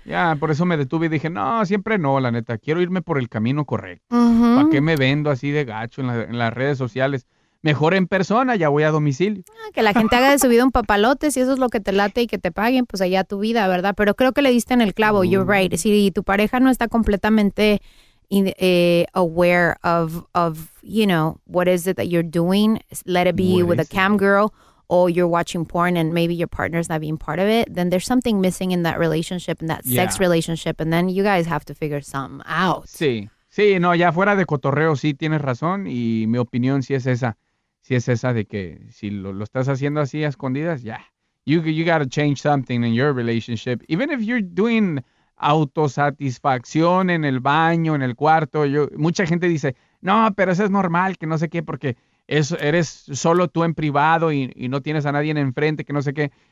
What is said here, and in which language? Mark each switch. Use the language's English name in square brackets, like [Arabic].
[Spanish] Ya, por eso me detuve y dije, no, siempre no, la neta. Quiero irme por el camino correcto. Uh-huh. ¿Para qué me vendo así de gacho en las redes sociales? Mejor en persona, ya voy a domicilio. Que la gente haga de su vida un papalote, si eso es lo que te late y que te paguen, pues allá tu vida, ¿verdad? Pero creo que le diste en el clavo, [English] you're right. [Spanish] Si tu pareja no está completamente [English] aware of, you know, what is it that you're doing, let it be with a cam girl, or you're watching porn and maybe your partner's not being part of it, then there's something missing in that relationship, in that sex relationship, and then you guys have to figure something out. [Spanish] Sí, sí, no, ya fuera de cotorreo, sí tienes razón, y mi opinión sí es esa. Si es esa de que si lo estás haciendo así a escondidas, [English] you gotta change something in your relationship. Even if you're doing [Spanish] autosatisfacción en el baño, en el cuarto, mucha gente dice, no, pero eso es normal, que no sé qué, porque eres solo tú en privado y no tienes a nadie enfrente, que no sé qué.